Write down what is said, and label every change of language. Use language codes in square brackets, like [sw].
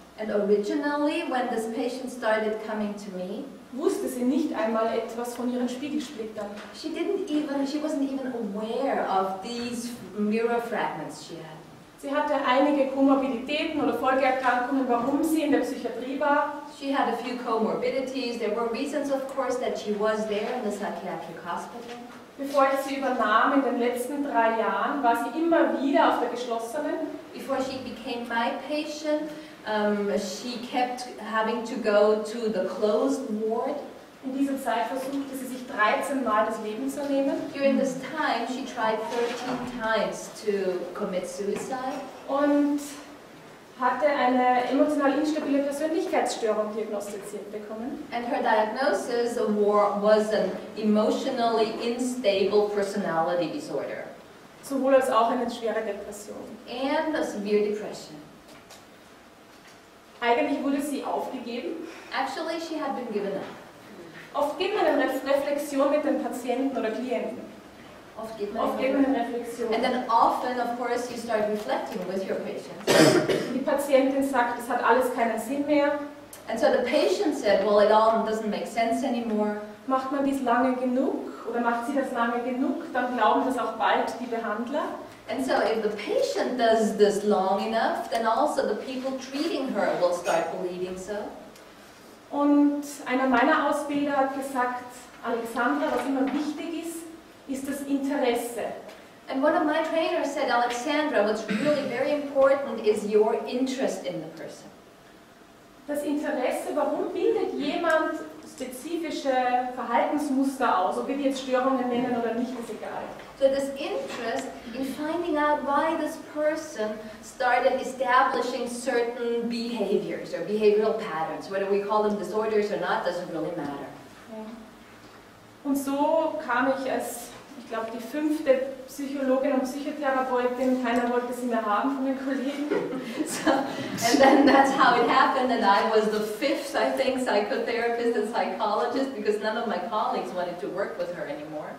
[en] and originally, when this patient started coming to me, [de] wusste sie nicht einmal etwas von ihren Spiegelsplittern. [en] She wasn't even aware of these mirror fragments she had. [de] Sie hatte einige Komorbiditäten oder Folgeerkrankungen, warum sie in der Psychiatrie war. [en] She had a few comorbidities. There were reasons, of course, that she was there in the psychiatric hospital. [de] Bevor ich sie übernahm in den letzten 3 Jahren, war sie immer wieder auf der geschlossenen. [en] Before she became my patient, she kept having to go to the closed ward. [de] In dieser Zeit versuchte sie sich 13 Mal das Leben zu nehmen. [en] During this time, she tried 13 times to commit suicide. [de] Und hatte eine emotional instabile Persönlichkeitsstörung diagnostiziert bekommen. [en] And her diagnosis was an emotionally instable personality disorder. [de] Sowohl als auch eine schwere Depression. [en] And a severe depression. [de] Eigentlich wurde sie aufgegeben. [en] Actually, she had been given up. [de] Oft gibt man eine Reflexion mit den Patienten oder Klienten. [en] And then often, of course, you start reflecting with your patients. [de] Die Patientin sagt, es hat alles keinen Sinn mehr. [en] And so the patient said, well, it all doesn't make sense anymore. [de] Macht man dies lange genug oder macht sie das lange genug, dann glauben das auch bald die Behandler. [en] And so if the patient does this long enough, then also the people treating her will start believing so. [de] Und einer meiner Ausbilder hat gesagt, Alexandra, was immer wichtig ist das Interesse. [en] And one of my trainers said, Alexandra, what's really very important is your interest in the person. [de] Das Interesse, warum bildet jemand spezifische Verhaltensmuster aus, ob wir jetzt Störungen nennen oder nicht, ist egal. [en] So this interest in finding out why this person started establishing certain behaviors or behavioral patterns, whether we call them disorders or not, doesn't really matter. Ja. [de] Und so kam ich als, ich glaube, die fünfte Psychologin und Psychotherapeutin, keiner wollte sie mehr haben von den Kollegen. [en] So, and then that's how it happened, and I was the fifth, I think, psychotherapist and psychologist, because none of my colleagues wanted to work with her anymore.